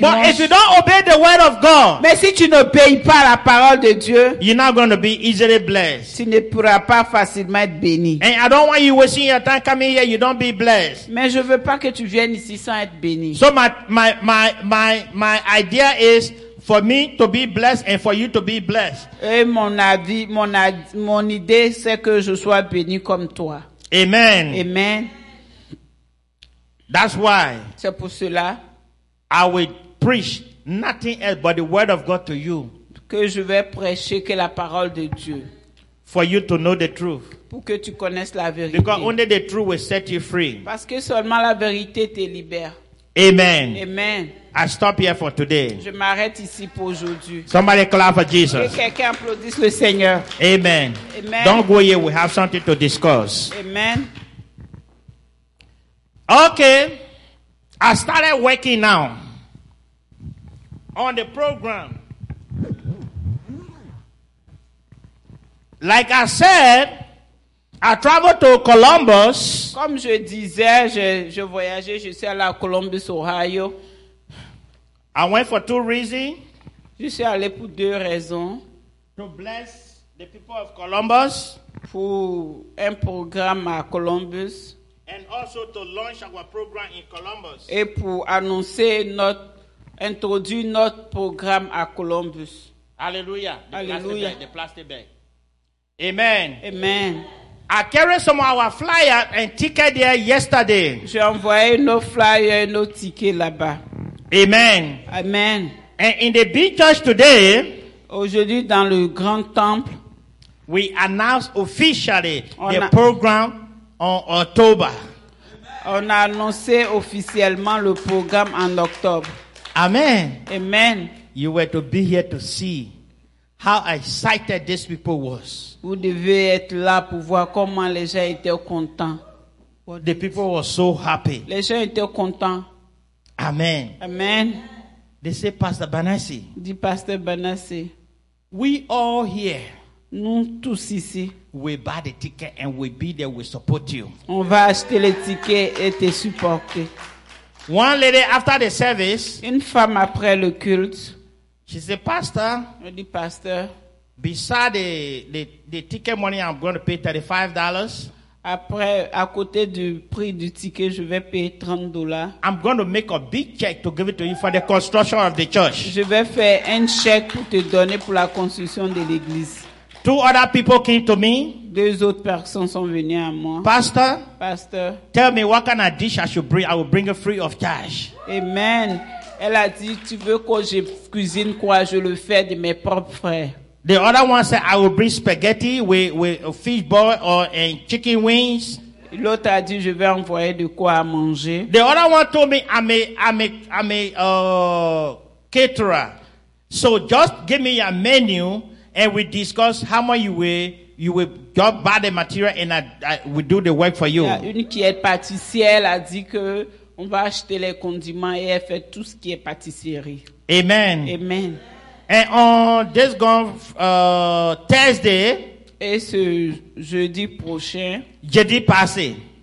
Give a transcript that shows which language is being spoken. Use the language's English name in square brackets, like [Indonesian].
[English] But if you don't obey the word of God, [French] mais si tu n'obéis pas la parole de Dieu, [English] you're not going to be easily blessed. [French] Tu ne pourras pas facilement être béni. [English] And I don't want you wasting your time coming here. You don't be blessed. [French] Mais je veux pas que tu viennes ici sans être béni. [English] So my idea is for me to be blessed and for you to be blessed. [French] Et mon idée c'est que je sois béni comme toi. [English] Amen. [French] Amen. [English] That's why. [French] C'est pour cela. [English] I will preach nothing else but the word of God to you. [French] Que je vais prêcher que la parole de Dieu. [English] For you to know the truth. [French] Pour que tu connaisses la vérité. [English] Because only the truth will set you free. [French] Parce que seulement la vérité te libère. [English] Amen. [French] Amen. [English] I stop here for today. [French] Je m'arrête ici pour aujourd'hui. [English] Somebody clap for Jesus. [French] Que quelqu'un applaudisse le Seigneur. [English] Amen. [French] Amen. [English] Don't go here. We have something to discuss. Amen. Okay, I started working now on the program. Like I said, I traveled to Columbus. [French] Comme je disais, je voyageais, je suis allé à Columbus, Ohio. [English] I went for two reasons. [French] Je suis allé pour deux raisons. [English] To bless the people of Columbus. [French] Pour un programme à Columbus. [English] And also to launch our program in Columbus. [French] Et pour annoncer notre introduire notre programme à Columbus. [English] Alléluia. [French] Alléluia. [English] The plastic bag. Amen. [French] Amen. [English] I carried some of our flyers and tickets there yesterday. [French] J'ai envoyé nos flyers et nos tickets là-bas. [English] Amen. [French] Amen. [English] And in the big church today, [French] aujourd'hui dans le grand temple, [English] we announce officially the program. [French] En octobre. On a annoncé officiellement le programme en octobre. [English] Amen. [French] Amen. [English] You were to be here to see how excited these people was. [French] Vous devez être là pour voir comment les gens étaient contents. [English] The people were so happy. [French] Les gens étaient contents. [English] Amen. [French] Amen. [English] They say Pastor Banassi. [French] Dit Pasteur Banassi. [English] We all here. [French] Nous tous ici. [English] We buy the ticket and we be there. We support you. [French] On va acheter les tickets et te supporter. [English] One lady after the service. [French] Une femme après le culte. [English] She said, Pastor. [French] Je dis, Pasteur. [English] Beside the ticket money, I'm going to pay $35. [French] Après, à côté du prix du ticket, je vais payer $30. [English] I'm going to make a big check to give it to you for the construction of the church. [French] Je vais faire un chèque pour te donner pour la construction de l'église. [English] Two other people came to me. [French] Deux autres personnes sont venues à moi. [English] Pastor. [French] Pasteur. [English] Tell me what kind of dish I should bring. I will bring it free of charge. Amen. [French] Elle a dit, tu veux que je cuisine quoi? Je le fais de mes propres frères. [English] The other one said, I will bring spaghetti with a fish ball or and chicken wings. [French] L'autre a dit, je vais envoyer de quoi à manger. [English] The other one told me, I'm a caterer. So just give me a menu. And we discuss how much you will go buy the material and we do the work for you. [French] Yeah, une qui est pâtissière a dit que on va acheter les condiments et elle fait tout ce qui est pâtisserie. [English] Amen. [French] Amen. [English] And on this going Thursday. [French] Et ce jeudi prochain. Jeudi passé.